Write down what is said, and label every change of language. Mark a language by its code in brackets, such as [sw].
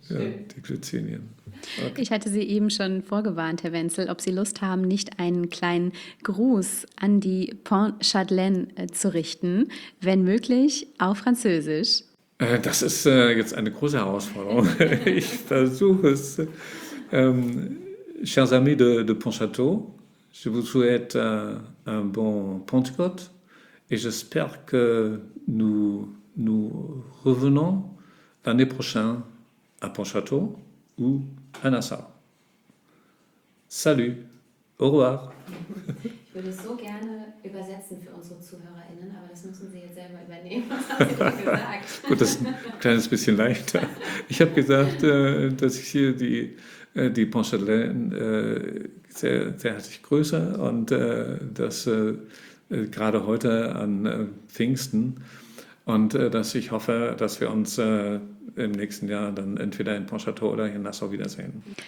[de] Ja, die Glycinien. Okay. Ich hatte Sie eben schon vorgewarnt, Herr Wenzel, ob Sie Lust haben, nicht einen kleinen Gruß an die Pont-Chadelaine zu richten, wenn möglich auf Französisch. Das ist jetzt eine große Herausforderung. Ich versuche es. [fr] Chers amis de Pont-Château, je vous souhaite un bon Pentecôte et j'espère que nous revenons l'année prochaine à Pont-Château ou Anassa. Salut, au revoir. [de] Ich würde es so gerne übersetzen für unsere ZuhörerInnen, aber das müssen Sie jetzt selber übernehmen, was Sie gesagt. Gut, das ist ein kleines bisschen leichter. Ich habe gesagt, dass ich hier die Pont-Chadelaine sehr, sehr herzlich grüße und dass gerade heute an Pfingsten und dass ich hoffe, dass wir uns im nächsten Jahr dann entweder in Pont-Château oder in Nassau wiedersehen.